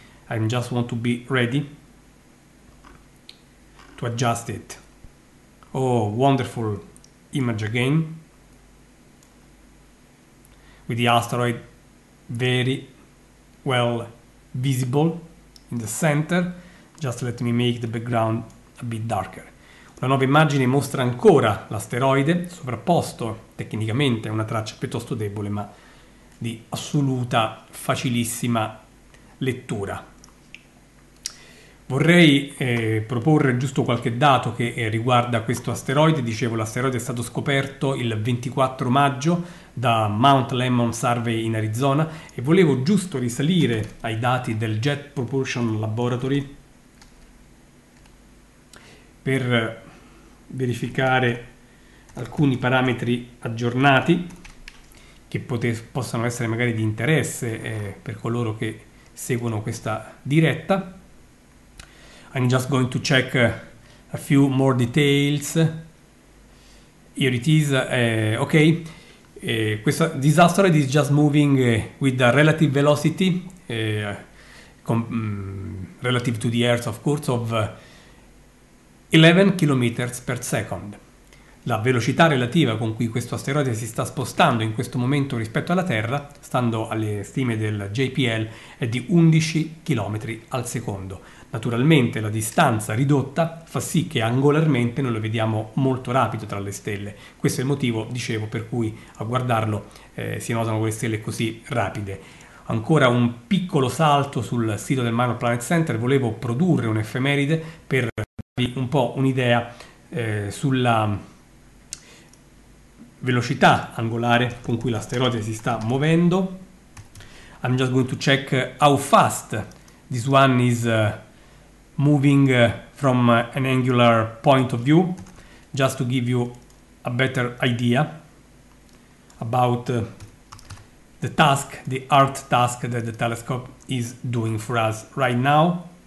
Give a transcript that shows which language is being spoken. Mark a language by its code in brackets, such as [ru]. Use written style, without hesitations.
[en] I just want to be ready to adjust it. Oh, wonderful image again, with the asteroid very well visible in the center. Just let me make the background a bit darker. [it] Una nuova immagine mostra ancora l'asteroide sovrapposto, tecnicamente una traccia piuttosto debole, ma di assoluta facilissima lettura. Vorrei proporre giusto qualche dato che riguarda questo asteroide. Dicevo, l'asteroide è stato scoperto il 24 maggio da Mount Lemmon Survey in Arizona e volevo giusto risalire ai dati del Jet Propulsion Laboratory per verificare alcuni parametri aggiornati che possano essere magari di interesse per coloro che seguono questa diretta. [en] I'm just going to check a few more details. Here it is. Okay. Questo disaster is just moving with a relative velocity, relative to the Earth, of course, of 11 km per second. [it] La velocità relativa con cui questo asteroide si sta spostando in questo momento rispetto alla Terra, stando alle stime del JPL, è di 11 km al secondo. Naturalmente la distanza ridotta fa sì che angolarmente noi lo vediamo molto rapido tra le stelle. Questo è il motivo, dicevo, per cui a guardarlo si notano quelle stelle così rapide. Ancora un piccolo salto sul sito del Minor Planet Center, volevo produrre un'effemeride per darvi un po' un'idea sulla velocità angolare con cui l'asteroide si sta muovendo. [en] I'm just going to check how fast this one is moving from an angular point of view, just to give you a better idea about the Earth task that the telescope is doing for us right now.